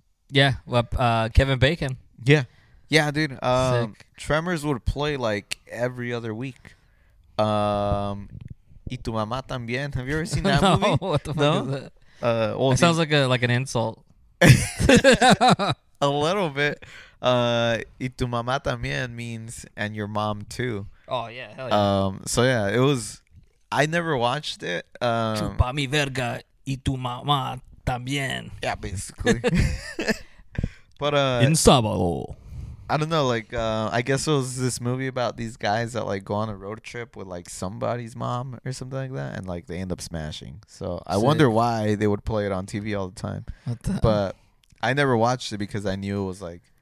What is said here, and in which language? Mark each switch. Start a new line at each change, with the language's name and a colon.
English: Yeah, Kevin Bacon. Yeah, dude. Tremors would play like every other week. Y tu mamá también. Have you ever seen that no, movie? What the fuck no? is that? Well, it sounds like an insult. A little bit. Y tu mamá también means and your mom too. Oh yeah, hell yeah. So yeah, it was. I never watched it.
Spanish: Chupa mi verga y tu mamá también.
English: Yeah, basically. But in Sábado. I don't know. Like, I guess it was this movie about these guys that like go on a road trip with like somebody's mom or something like that, and like they end up smashing. So I wonder why they would play it on TV all the time. But I never watched it because I knew it was like.